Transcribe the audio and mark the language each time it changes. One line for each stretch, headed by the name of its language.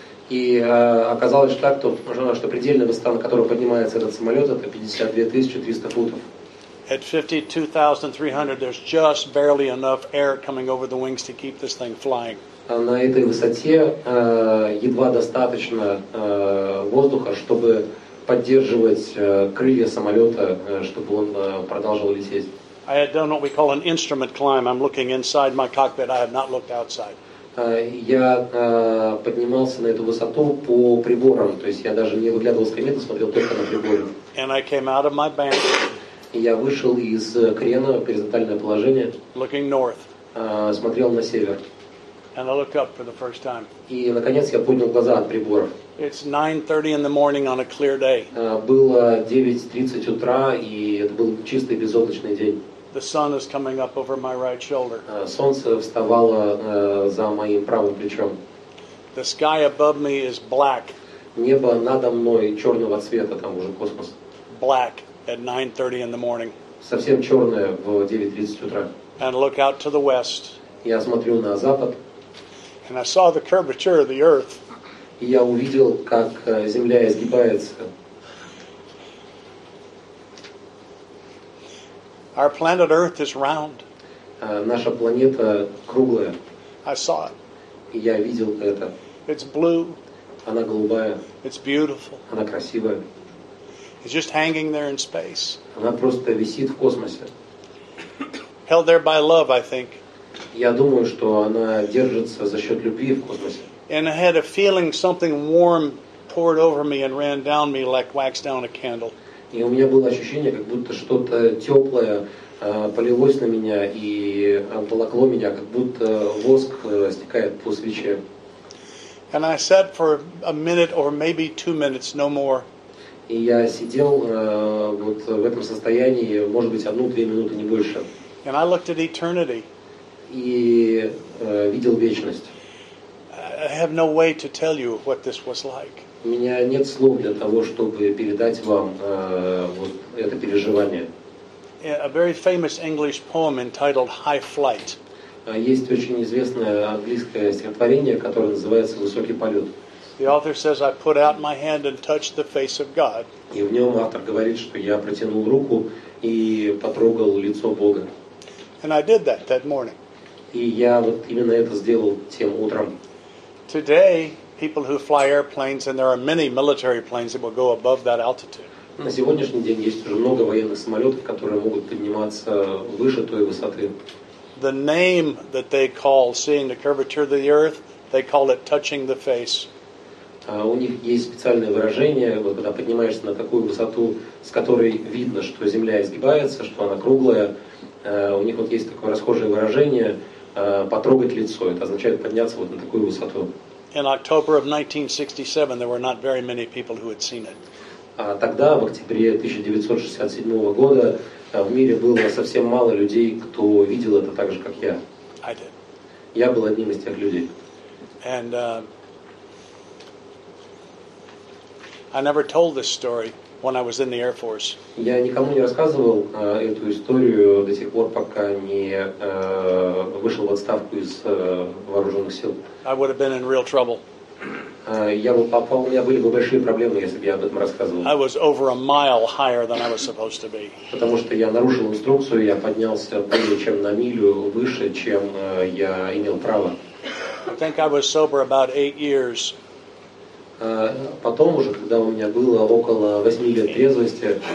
Russian: И оказалось так, что предельная высота, на которую поднимается этот самолет, это 52,300 футов.
English: At 52,300, there's just barely enough air coming over the wings to keep this thing flying.
Russian: На этой высоте едва достаточно воздуха, чтобы поддерживать крылья самолета, чтобы он продолжал лететь.
English: I had done what we call an instrument climb. I'm looking inside my cockpit. I have not looked outside.
Russian: Я поднимался на эту высоту по приборам, то есть я даже не выглядывал с кабины, смотрел только на приборы.
English: And I came out of my bank.
Russian: Я вышел из крена, горизонтальное положение.
English: Looking north.
Russian: Смотрел на север.
English: And I looked up for the first time.
Russian: И наконец я поднял глаза от приборов.
English: It's 9:30 in the morning on a clear day.
Russian: Было 9:30 утра, и это был чистый безоблачный день.
English: The sun is coming up over my right shoulder.
Russian: Солнце вставало за моим правым плечом.
English: The sky above me is black.
Russian: Небо надо мной черного цвета, там уже космос.
English: Black at 9:30 in the morning.
Russian: Совсем черное в 9:30 утра.
English: And look out to the west.
Russian: Я смотрю на запад.
English: And I saw the curvature of the earth.
Russian: И я увидел, как земля изгибается.
English: Our planet Earth is round.
Russian: Наша планета круглая.
English: I saw it.
Russian: И я видел это.
English: It's blue.
Russian: Она голубая.
English: It's beautiful.
Russian: Она красивая.
English: It's just hanging there in space.
Russian: Она просто висит в космосе.
English: Held there by love, I think.
Russian: Я думаю, что она держится за счет любви в космосе.
English: And I had a feeling something warm poured over me and ran down me like wax down a candle.
Russian: И у меня было ощущение, как будто что-то теплое полилось на меня и обволокло меня, как будто воск стекает по свече.
English: And I sat for a minute or maybe 2 minutes, no more.
Russian: И я сидел вот в этом состоянии, может быть, 1-2 минуты, не больше.
English: And I looked at eternity.
Russian: И видел вечность.
English: I have no way to tell you what this was like.
Russian: У меня нет слов для того, чтобы передать вам вот это переживание.
English: A very famous English poem entitled High Flight.
Russian: Есть очень известное английское стихотворение, которое называется «Высокий полет».
English: The author says, "I put out my hand and touched the face of God."
Russian: И в нем автор говорит, что я протянул руку и потрогал лицо Бога.
English: And I did that morning.
Russian: И я вот именно это сделал тем утром.
English: Today, people who fly airplanes, and there are many military planes that will go above that altitude.
Russian: На сегодняшний день есть уже много военных самолетов, которые могут подниматься выше той высоты.
English: The name that they call seeing the curvature of the earth, they call it touching the face.
Russian: У них есть специальное выражение, вот когда поднимаешься на такую высоту, с которой видно, что земля изгибается, что она круглая, у них вот есть такое расхожее выражение. Потрогать лицо. Это означает подняться вот на такую высоту.
English: In October of 1967, there were not very many people who had seen it.
Russian: Тогда, в октябре 1967 года, в мире было совсем мало людей, кто видел это так же, как я.
English: I did.
Russian: Я был одним из тех людей.
English: And I never told this story when I was in the Air Force.
Russian: Я никому не рассказывал эту историю до тех пор, пока не вышел в отставку из вооруженных сил.
English: I would have been in real trouble.
Russian: Были бы большие проблемы, если бы я об этом рассказывал.
English: I was over a mile higher than I was supposed to be.
Russian: Потому что я нарушил инструкцию, я поднялся более чем на милю выше, чем я имел право.
English: I think I was sober about 8 years.
Russian: Потом уже, когда у меня было около 8 лет трезвости,